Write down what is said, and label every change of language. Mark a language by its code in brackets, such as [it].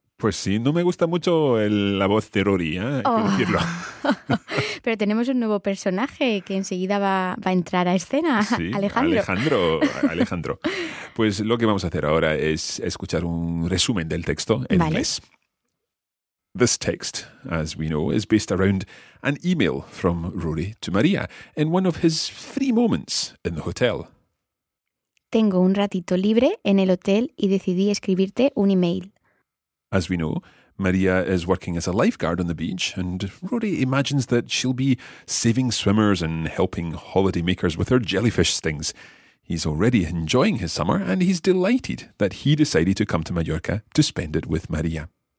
[es] Pues sí, no me gusta mucho la voz de Rory, ¿eh? Oh. Decirlo. Pero tenemos un nuevo personaje que enseguida va a entrar a escena. Sí, Alejandro. Pues lo que vamos a hacer ahora es escuchar un resumen del texto en inglés. [en] This text, as we know, is based around an email from Rory to Maria in one of his free moments in the hotel. [es] Tengo un ratito libre en el hotel y decidí escribirte un email. [en] As we know, Maria is working as a lifeguard on the beach, and Rory imagines that she'll be saving swimmers and helping holidaymakers with her jellyfish stings. He's already enjoying his summer, and he's delighted that he decided to come to Mallorca to spend it with Maria.